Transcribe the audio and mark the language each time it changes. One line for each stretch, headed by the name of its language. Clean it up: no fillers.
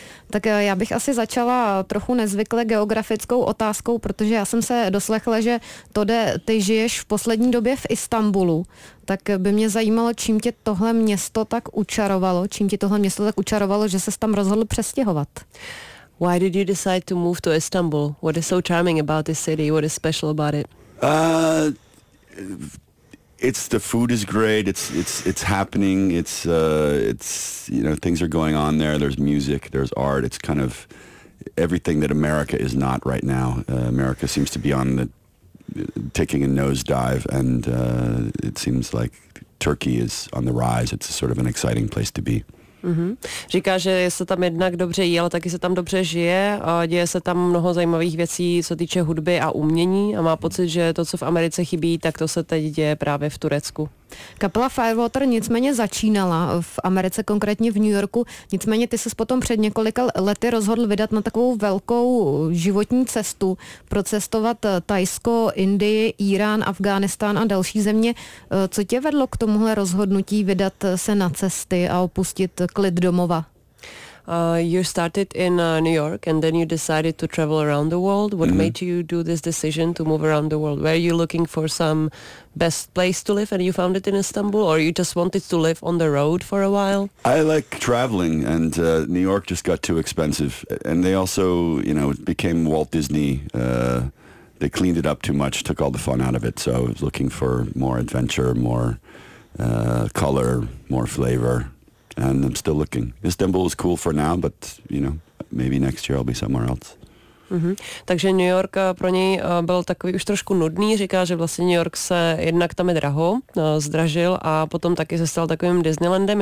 Czech: Tak já bych asi začala trochu nezvykle geografickou otázkou, protože já jsem se doslechla, že Todde, ty žiješ v poslední době v Istanbulu. Tak by mě zajímalo, čím tě tohle město tak učarovalo, že ses tam rozhodl přestěhovat.
English: Why did you decide to move to Istanbul? What is so charming about this city? What is special about it? It's the food is great. It's happening. It's you know, things are going on there. There's music. There's art. It's kind of everything that America is not right now. America seems to be on the taking a nosedive, and it seems like Turkey is on the rise. It's sort of an exciting place to be. Mm-hmm.
Czech: Říká, že se tam jednak dobře jí, ale taky se tam dobře žije a děje se tam mnoho zajímavých věcí, co týče hudby a umění, a má pocit, že to, co v Americe chybí, tak to se teď děje právě v Turecku. Kapela Firewater nicméně začínala v Americe, konkrétně v New Yorku, nicméně ty ses potom před několika lety rozhodl vydat na takovou velkou životní cestu, procestovat Thajsko, Indii, Irán, Afghánistán a další země. Co tě vedlo k tomuhle rozhodnutí vydat se na cesty a opustit klid domova?
English: You started in New York and then you decided to travel around the world. What mm-hmm. made you do this decision to move around the world? Were you looking for some best place to live and you found it in Istanbul, or you just wanted to live on the road for a while? I like traveling, and New York just got too expensive, and they also, you know, it became Walt Disney. They cleaned it up too much, took all the fun out of it. So I was looking for more adventure, more color, more flavor. And I'm still looking. Istanbul is cool for now, but, you know, maybe next year I'll be somewhere else. Mm-hmm.
Czech: Takže New York pro něj byl takový už trošku nudný. Říká, že vlastně New York se jednak tam je draho, zdražil a potom taky se stal takovým Disneylandem.